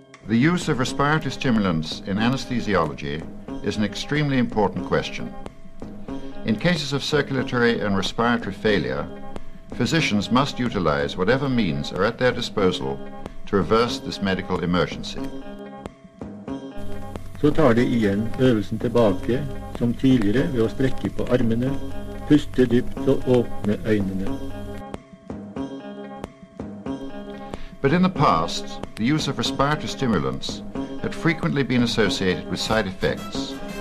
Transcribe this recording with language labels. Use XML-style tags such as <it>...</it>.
<en>The use of respiratory stimulants in anesthesiology is an extremely important question. In cases of circulatory and respiratory failure, physicians must utilize whatever means are at their disposal to reverse this medical emergency.</en> <no>Så tar de igjen øvelsen tilbake som tidligere ved å strekke på armene, puste dypt og åpne øynene.</no> <en>But in the past, the use of respiratory stimulants had frequently been associated with side effects.</en>